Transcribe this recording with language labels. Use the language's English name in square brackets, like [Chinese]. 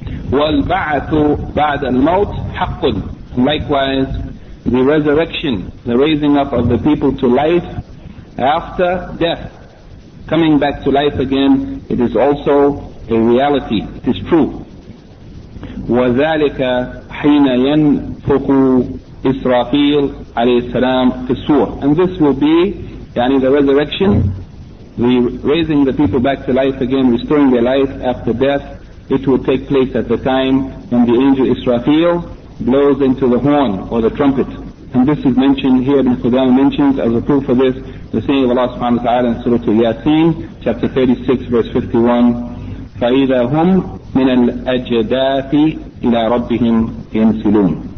[Arabic] وَالْبَعَثُ بَعْدَ الْمَوْتِ حَقٌّ. [English] Likewise, the resurrection, the raising up of the people to life after death, coming back to life again, it is also a reality, it is true. [Arabic] وَذَلِكَ حِينَ يَنْفُقُ إِسْرَافِيلُ عَلَيْهِ السَّلَامُ فِي السُّورِ. [English] And this will be, yani the resurrection, the raising the people back to life again, restoring their life after death, it will take place at the time when the angel Israfil blows into the horn or the trumpet. And this is mentioned here, Ibn Khuzaymah mentions as a proof of this, the saying of Allah subhanahu wa ta'ala in Surah Yasin, chapter 36, verse 51, [Arabic] فَإِذَا هُمْ مِنَ الْأَجْدَاثِ إِلَىٰ رَبِّهِمْ يَنْسِلُونَ.